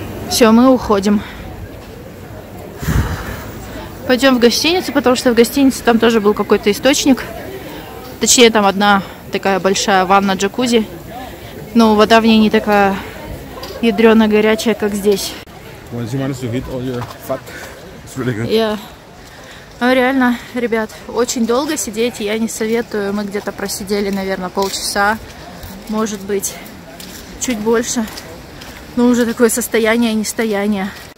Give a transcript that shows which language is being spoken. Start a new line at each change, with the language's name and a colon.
Russian: Все, мы уходим. пойдем в гостиницу, потому что в гостинице там тоже был какой-то источник. Точнее, там одна такая большая ванна-джакузи. Но вода в ней не такая ядрёно-горячая, как здесь.
English: Once you manage to hit all your fat, it's really good. Yeah.
Russian: Ну, реально, ребят, очень долго сидеть я не советую. Мы где-то просидели, наверное, полчаса, может быть, чуть больше. Но уже такое состояние нестояние.